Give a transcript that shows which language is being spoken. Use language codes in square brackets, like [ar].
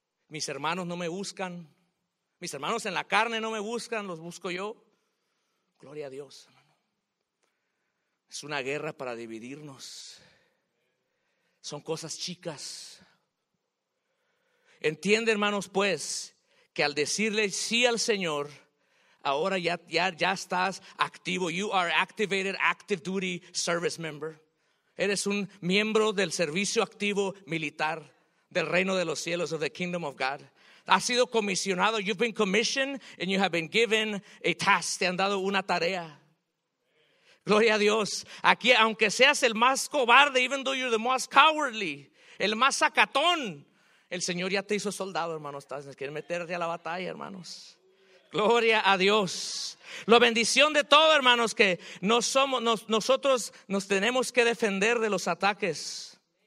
[es] Mis hermanos no me buscan. Mis hermanos en la carne no me buscan, los busco yo. Gloria a Dios, hermano. Es una guerra para dividirnos. Son cosas chicas. Entiende, hermanos, pues, que al decirle sí al Señor, ahora ya estás activo. [en] You are activated, active duty service member. [es] Eres un miembro del servicio activo militar del reino de los cielos, [en] of the kingdom of God. [es] Has sido comisionado, [en] you've been commissioned and you have been given a task. [es] Te han dado una tarea. Gloria a Dios. Aquí, aunque seas el más cobarde, [en] even though you're the most cowardly, [es] el más sacatón, el Señor ya te hizo soldado, hermanos. Quieren meterte a la batalla, hermanos. Gloria a Dios. La bendición de todo, hermanos, que nosotros nos tenemos que defender de los ataques.